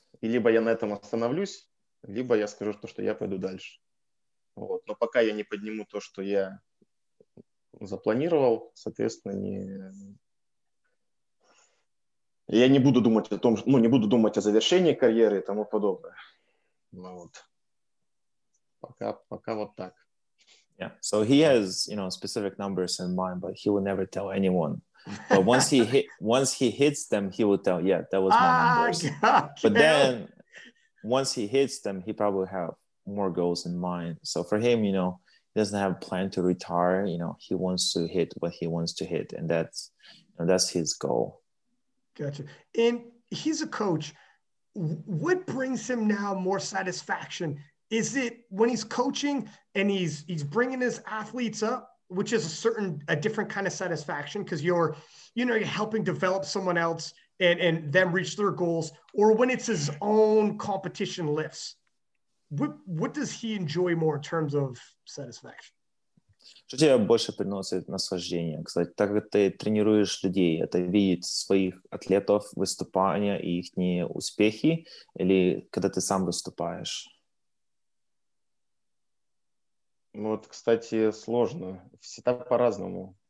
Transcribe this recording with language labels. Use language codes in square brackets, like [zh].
[ru] И либо я на этом остановлюсь, либо я скажу то, что я пойду дальше. Вот. Но пока я не подниму то, что я запланировал, соответственно, я не буду думать о том, ну, не буду думать о завершении карьеры и тому подобное. Ну, вот. Пока вот так. [en] Yeah, so he has, you know, specific numbers in mind, but he will never tell anyone. But once he hits them, he will tell, yeah, that was my numbers. God. But then once he hits them, he probably have more goals in mind. So for him, you know, he doesn't have a plan to retire. You know, he wants to hit what he wants to hit. And that's, you know, that's his goal. Gotcha. And he's a coach. What brings him now more satisfaction? Is it when he's coaching and he's bringing his athletes up, which is a different kind of satisfaction because you're helping develop someone else and them reach their goals, or when it's his own competition lifts? What does he enjoy more in terms of satisfaction? [ru] Что тебе больше приносит наслаждение? Кстати, так как ты тренируешь людей, это видеть своих атлетов, выступания и их успехи, или когда ты сам выступаешь? Ну вот, кстати, сложно. Всегда по-разному.